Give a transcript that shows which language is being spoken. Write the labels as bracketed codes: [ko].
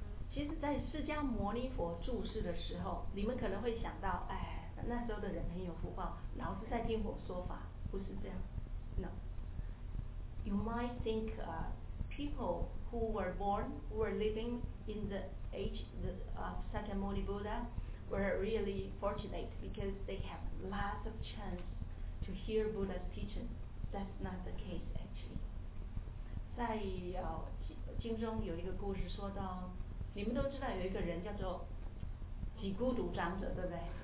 [zh] 其实在释迦牟尼佛住世的时候，你们可能会想到，哎，那时候的人很有福报，老是在听我说法，不是这样。 [en] No. You might think people who were born, who were living in the age of Sakyamuni Buddha were really fortunate because they have lots of chance to hear Buddha's teaching. That's not the case actually. [zh] 在经中有一个故事说到，你们都知道有一个人叫做几孤独长者，对不对？